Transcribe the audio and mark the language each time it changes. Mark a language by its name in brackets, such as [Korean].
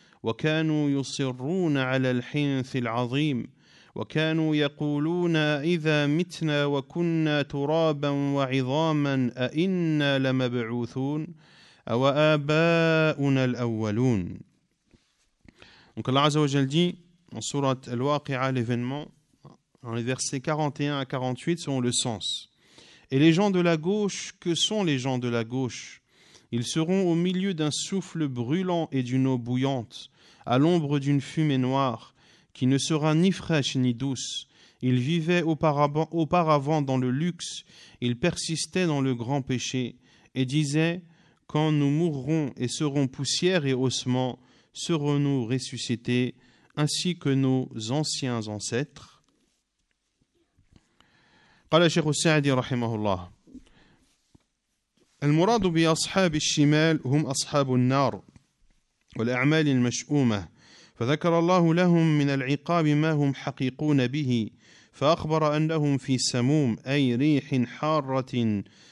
[Arabic] وكانوا يصرون على الحنث العظيم، وكانوا يقولون إذا متنا وكنا ترابا وعظاما أئنا لمبعوثون أو آباؤنا الأولون. [French] Donc Allah عز وجل dit en sourate Al-Waqi'a, l'événement, dans les versets 41 à 48, selon le sens. Et les gens de la gauche, que sont les gens de la gauche? Ils seront au milieu d'un souffle brûlant et d'une eau bouillante, à l'ombre d'une fumée noire, qui ne sera ni fraîche ni douce. Ils vivaient auparavant dans le luxe, ils persistaient dans le grand péché, et disaient, quand nous mourrons et serons poussière et ossements, serons-nous ressuscités, ainsi que nos anciens ancêtres. [Arabic] قال الشيخ السعدي رحمه الله المراد بأصحاب الشمال هم أصحاب النار والأعمال المشؤومة فذكر الله لهم من العقاب ما هم حقيقون به فأخبر أنهم في سموم أي ريح حارة